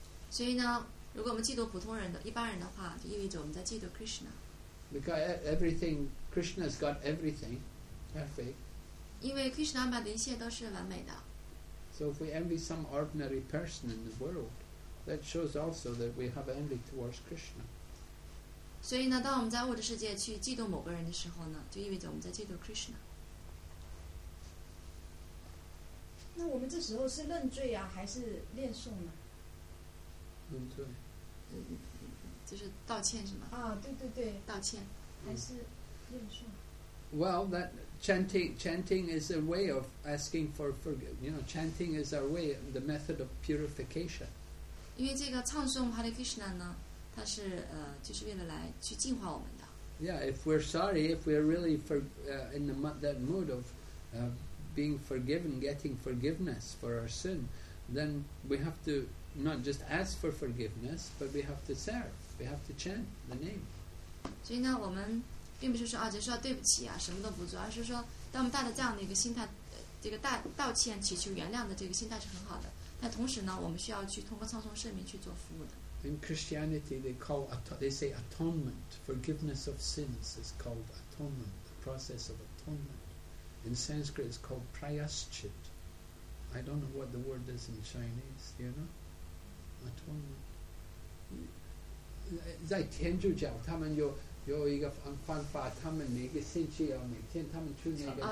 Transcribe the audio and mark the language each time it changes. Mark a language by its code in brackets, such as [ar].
[zh] 所以呢，如果我们嫉妒普通人的一般人的话，就意味着我们在嫉妒 Krishna. [en] Because everything Krishna's got everything, perfect. [zh] 因为 Krishna 把的一切都是完美的。 [en] So if we envy some ordinary person in the world, that shows also that we have envy towards Krishna. [zh] 所以呢，当我们在物质世界去嫉妒某个人的时候呢，就意味着我们在嫉妒 Krishna。那我们这时候是认罪啊，还是念诵呢？认罪。就是道歉是吗？啊，对对对，道歉，还是念诵。 [en] Well, that chanting is a way of asking for forgiveness. You know, chanting is our way, the method of purification. [zh] 因为这个唱诵 Hare Krishna 呢，它是就是为了来去净化我们的。 [en] Yeah, if we're sorry, if we're really in that mood of being forgiven, getting forgiveness for our sin, then we have to not just ask for forgiveness, but we have to serve. We have to chant the name. [zh] 所以呢，我们并不是说啊，就是说对不起啊，什么都不做，而是说，当我们带着这样的一个心态，这个道歉、祈求原谅的这个心态是很好的。但同时呢，我们需要去通过唱诵圣名去做服务的。 [en] In Christianity, they say atonement, forgiveness of sins is called atonement, the process of atonement. In Sanskrit, it's called prayaschit. I don't know what the word is in Chinese. Do you know? Atonement. [zh] 在天主教，他们有一个方法，他们每个星期要每天他们去那个